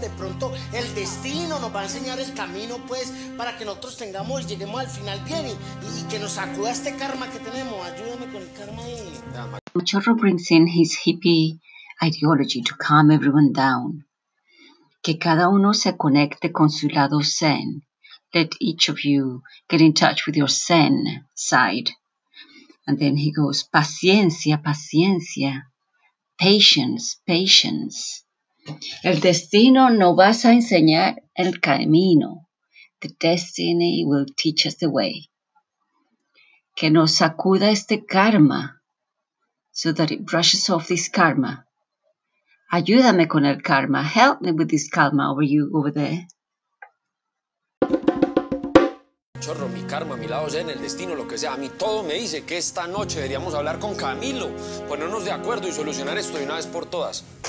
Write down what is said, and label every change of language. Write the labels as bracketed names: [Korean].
[Spanish] De pronto el destino nos va a enseñar el camino pues para que nosotros tengamos y lleguemos al final bien y que nos sacuda este karma que tenemos. Ayúdame con el karma ahí. [English] Machorro brings in his hippie ideology to calm everyone down. [Spanish] Que cada uno se conecte con su lado zen. [English] Let each of you get in touch with your zen side. And then he goes, [Spanish] paciencia, paciencia. [English] Patience, patience. [Spanish] El destino no vas a enseñar el camino. [English] The destiny will teach us the way. [Spanish] Que nos sacuda este karma. [English] So that it brushes off this karma. [Spanish] Ayúdame con el karma. [English] Help me with this karma over you over there. [Spanish] Chorro, mi karma, mi lado zen, el destino, lo que sea. A mí todo me dice que esta noche deberíamos hablar con Camilo, ponernos de acuerdo y solucionar esto de una vez por todas.